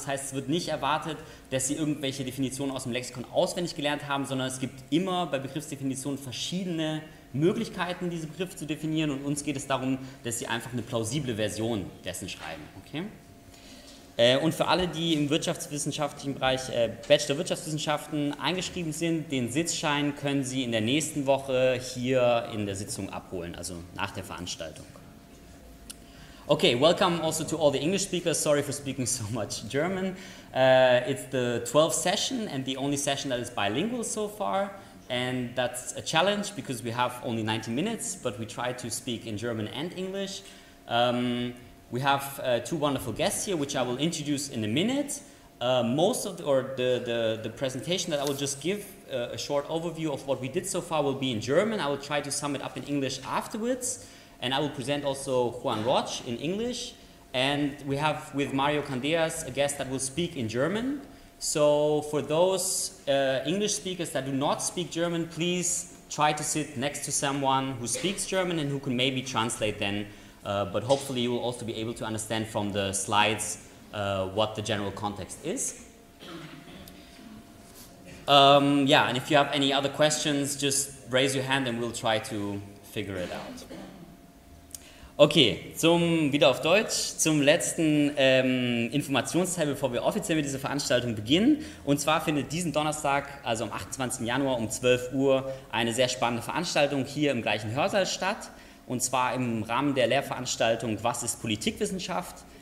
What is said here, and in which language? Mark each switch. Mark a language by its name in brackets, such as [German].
[German] Das heißt, es wird nicht erwartet, dass Sie irgendwelche Definitionen aus dem Lexikon auswendig gelernt haben, sondern es gibt immer bei Begriffsdefinitionen verschiedene Möglichkeiten, diese Begriffe zu definieren, und uns geht es darum, dass Sie einfach eine plausible Version dessen schreiben. Okay? Und für alle, die im wirtschaftswissenschaftlichen Bereich Bachelor Wirtschaftswissenschaften eingeschrieben sind, den Sitzschein können Sie in der nächsten Woche hier in der Sitzung abholen, also nach der Veranstaltung. [English] Okay, welcome also to all the English speakers. Sorry for speaking so much German. It's the 12th session and the only session that is bilingual so far. And that's a challenge because we have only 90 minutes, but we try to speak in German and English. We have two wonderful guests here, which I will introduce in a minute. The presentation that I will just give a short overview of what we did so far will be in German. I will try to sum it up in English afterwards. And I will present also Juan Roch in English. And we have with Mario Candeas a guest that will speak in German. So for those English speakers that do not speak German, please try to sit next to someone who speaks German and who can maybe translate then. But hopefully you will also be able to understand from the slides what the general context is. And if you have any other questions, just raise your hand and we'll try to figure it out. [German] Okay, zum letzten Informationsteil, bevor wir offiziell mit dieser Veranstaltung beginnen. Und zwar findet diesen Donnerstag, also am 28. Januar um 12 Uhr, eine sehr spannende Veranstaltung hier im gleichen Hörsaal statt. Und zwar im Rahmen der Lehrveranstaltung Was ist Politikwissenschaft?